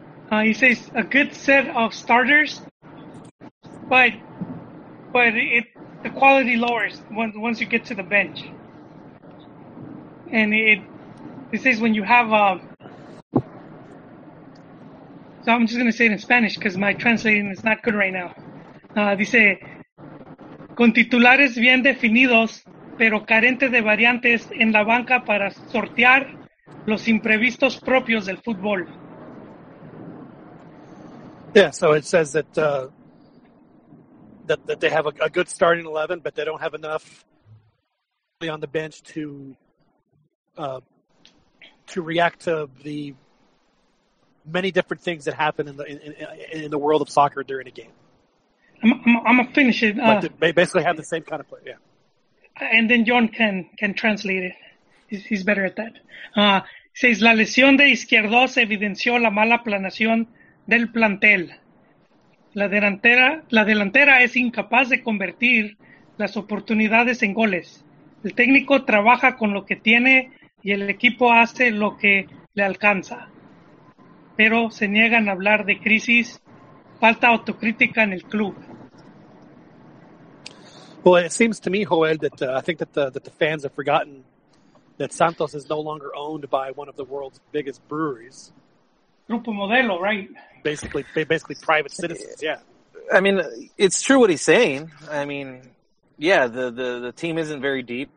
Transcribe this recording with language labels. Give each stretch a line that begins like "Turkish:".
English: He says a good set of starters, but the quality lowers once you get to the bench. And it says when you have a... So I'm just going to say it in Spanish because my translating is not good right now.
Spanish: Dice, con titulares bien definidos, pero carentes de variantes en la banca para sortear los imprevistos propios del fútbol.
English: Yeah, so it says that that they have a good starting 11, but they don't have enough on the bench to react to the many different things that happen in the world of soccer during a game. I'm gonna finish it. But they basically have the same kind of play, yeah. And then John can translate it. He's better at that. Says
Spanish: la lesión de Izquierdos evidenció la mala planación del plantel. La delantera es incapaz de convertir las oportunidades en goles. El técnico trabaja con lo que tiene y el equipo hace lo que le alcanza. Pero se niegan a hablar de crisis, falta autocrítica en el club.
English: Well, it seems to me, Joel, that I think that the fans have forgotten that Santos is no longer owned by one of the world's biggest breweries. Grupo Modelo, right? Basically private citizens, yeah. I mean, it's true what he's saying. I mean, yeah, the team isn't very deep.